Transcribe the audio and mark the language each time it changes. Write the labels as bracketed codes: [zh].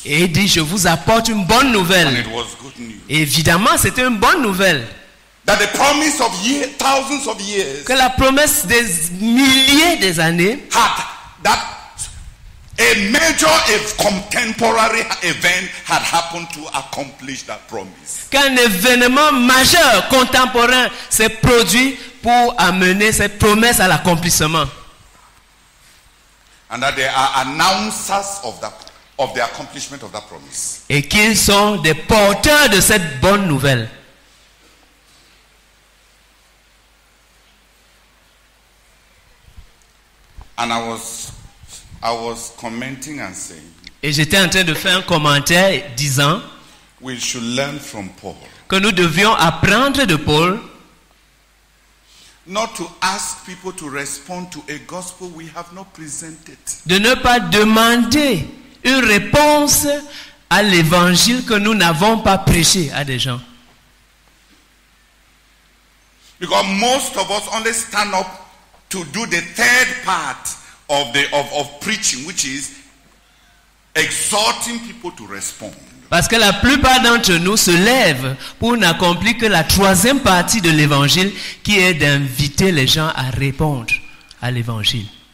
[fr] Et il dit, je vous apporte une bonne nouvelle. [en] And it was good news. [fr] Évidemment, c'était une bonne nouvelle. [en] That the promise of years, thousands of years, [fr] que la promesse des milliers des années [en] had, that a major, a contemporary event had happened to accomplish that promise. [fr] Qu'un événement majeur, contemporain, s'est produit pour amener cette promesse à l'accomplissement. [en] And that they are announcers of the accomplishment of that promise. [fr] Et qu'ils sont des porteurs de cette bonne nouvelle. [en] And I was commenting and saying. [fr] Et j'étais en train de faire un commentaire disant. [en] We should learn from Paul. [fr] Que nous devions apprendre de Paul. [en] Not to ask people to respond to a gospel we have not presented. [fr] De ne pas demander une réponse à l'évangile que nous n'avons pas prêché à des gens. [en] Because most of us only stand up to do the third part of preaching, which is exhorting people to respond. [fr] Parce que la plupart d'entre nous se lèvent pour n'accomplir que la troisième partie de l'évangile, qui est d'inviter les gens à répondre à l'évangile.